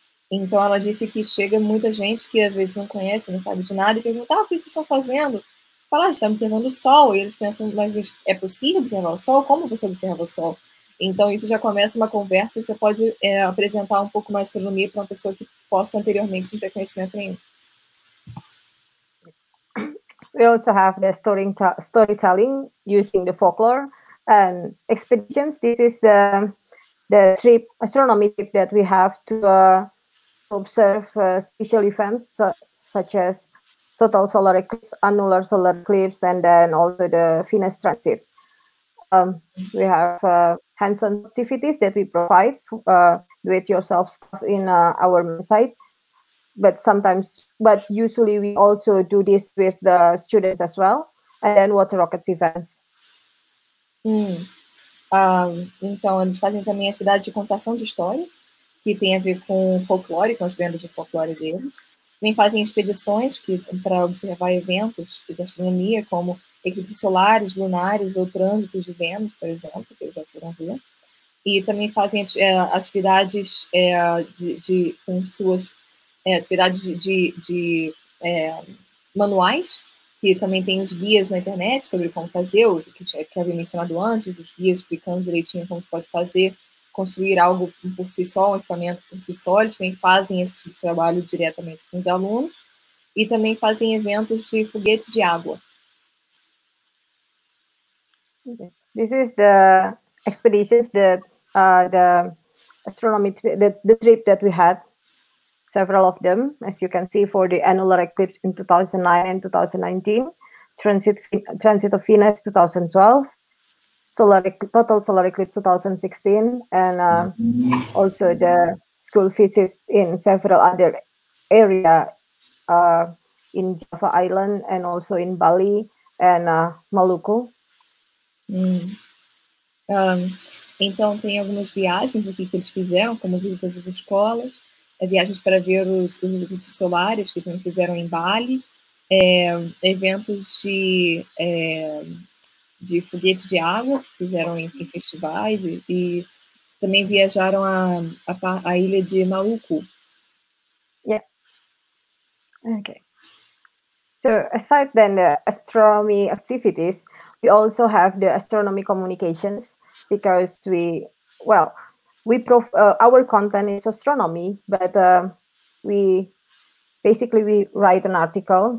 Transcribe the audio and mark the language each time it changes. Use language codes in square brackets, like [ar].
[pt] Então ela disse que chega muita gente que às vezes não conhece, não sabe de nada, e pergunta, o que vocês estão fazendo? Fala, estamos observando o sol. E eles pensam, mas gente, é possível observar o sol? Como você observa o sol? Então, isso já começa uma conversa e você pode apresentar um pouco mais de astronomia para uma pessoa que possa anteriormente não ter conhecimento nenhum. [en] We also have the storytelling using the folklore and expeditions. This is the trip, astronomy trip that we have to observe special events such as total solar eclipse, annular solar eclipse, and then also the Venus transit. We have hands-on activities that we provide do-it-yourself stuff in our site, but usually we also do this with the students as well, and then water rockets events. [pt] Então, eles fazem também a cidade de contação de histórias, que tem a ver com folclore, com as lendas de folclore deles. Também fazem expedições para observar eventos de astronomia, como eclipses solares, lunares ou trânsitos de Vênus, por exemplo, que eles já foram ver. E também fazem atividades com suas atividades de manuais, que também tem os guias na internet sobre como fazer, o que eu havia mencionado antes, os guias explicando direitinho como se pode fazer, construir algo por si só, um equipamento por si só. Eles também fazem esse trabalho diretamente com os alunos. E também fazem eventos de foguete de água. [en] This is the expeditions that the astronomy the trip that we had, several of them, as you can see, for the annular eclipse in 2009 and 2019, transit of Venus 2012, total solar eclipse 2016, and also the school visits in several other area in Java Island and also in Bali and Maluku. [pt] Então tem algumas viagens aqui que eles fizeram, como visitas às escolas, viagens para ver os eclipses solares que também fizeram em Bali, eventos de foguete de água que fizeram em festivais e também viajaram à ilha de Maluku. [en] Yeah. Okay. So aside then the astronomy activities, we also have the astronomy communications because our content is astronomy, but we write an article.